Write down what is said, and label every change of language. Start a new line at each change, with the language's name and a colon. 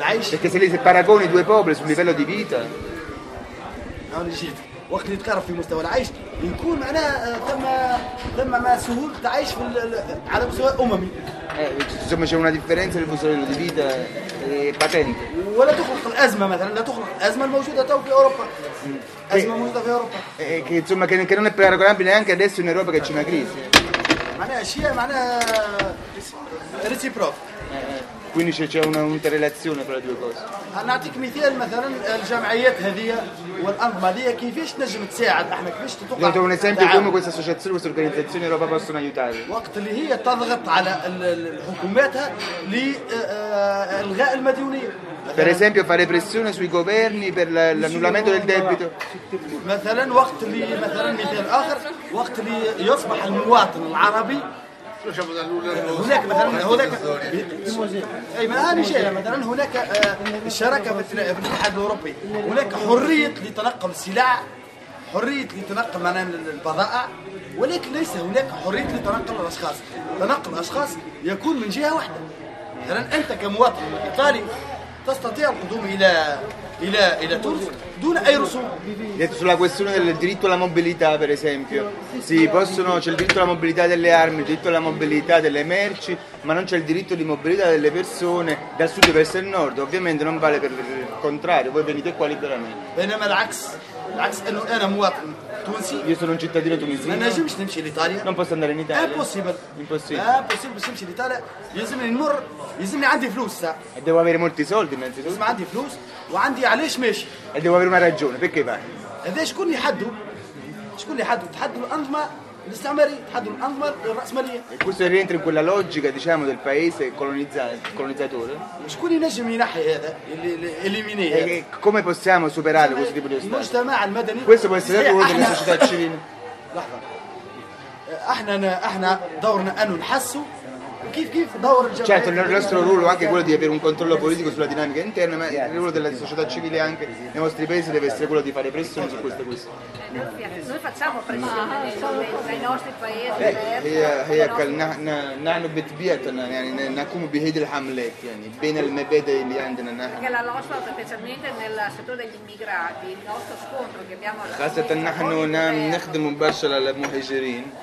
Italian: perché se lì si paragoni due popoli sul livello di vita
Arabic: وقت اللي تقارب في مستوى العيش يكون معناه تم ما سهولة عيش في على مستوى أممي.
Italian: ثم c'è una differenza nel livello di vita patente.
Arabic: ولا تخلق الأزمة مثلاً لا تخلق الأزمة الموجودة تو في أوروبا. أزمة موجودة في أوروبا.
Italian: Che insomma che non è paragonabile neanche adesso in Europa che c'è una crisi.
Arabic: معناه شيء معناه reciprocal.
Italian: Quindi c'è una interrelazione tra le due cose.
Arabic: نعطيك مثال مثلا الجمعيات هذه والانظمه هذه كيفاش تنجم تساعد احنا كيفاش تتوقع نعطيك مثال
Italian: esempio come questa associazione questa organizzazione Europa possono aiutare
Arabic: وقت اللي هي تضغط على حكوماتها لالغاء المديونيه
Italian: per esempio fare pressione sui governi per l'annullamento del debito
Arabic: مثلا وقت اللي مثلا مثال اخر وقت اللي يصبح المواطن العربي هناك مثلا هناك الشراكة في الاتحاد الاوروبي هناك حرية لتنقل السلع حرية لتنقل معناها البضائع ولكن ليس هناك حرية لتنقل الاشخاص تنقل الاشخاص يكون من جهة واحدة مثلا انت كمواطن ايطالي تستطيع القدوم الى الى الى تونس دون اي رسوم
Italian: detto sulla questione del diritto alla mobilità per esempio sì possono c'è il diritto alla mobilità delle armi il diritto alla mobilità delle merci ma non c'è il diritto di mobilità delle persone dal sud verso il nord ovviamente non vale per il contrario voi venite qua liberamente
Arabic: بينما العكس انه انا مواطن تونسي
Italian: io sono un cittadino tunisino ma
Arabic: نجمش نمشي لإيطاليا
Italian: non posso andare in Italia impossibile
Arabic: نمشي لإيطاليا يلزمني نمر يلزمني عندي فلوس
Italian: e devo avere molti soldi mentre
Arabic: ما عندي فلوس وعندي علاش ماشي
Italian: e devo avere una ragione perché vai
Arabic: هذا شكون اللي حدو شكون اللي حدو تحدو الانظمه الاستعماري تحدو الانظمه الراسماليه
Italian: e questo rientra in quella logica diciamo del paese colonizzatore
Arabic: شكون اللي نجم ينحي هذا اليميني
Italian: e come possiamo superare questo tipo di ostacoli
Arabic: المجتمع المدني
Italian: questo può essere uno delle società civili
Arabic: لحظه احنا دورنا ان نحسو كيف دور الجمعيات
Italian: certo il nostro ruolo anche quello di avere un controllo politico sulla dinamica interna ma il ruolo della società civile anche nei vostri paesi deve essere quello di fare pressione su questo noi facciamo pressione nei nostri paesi
Arabic: هي قال نحن بتبيتنا يعني نقوم بهيد الحملات يعني بين المبادئ اللي عندنا نحن
Italian: perché la nostra specialmente nel settore degli immigrati il nostro scontro che abbiamo
Arabic: خاصة نحن نخدم مباشرة للمهاجرين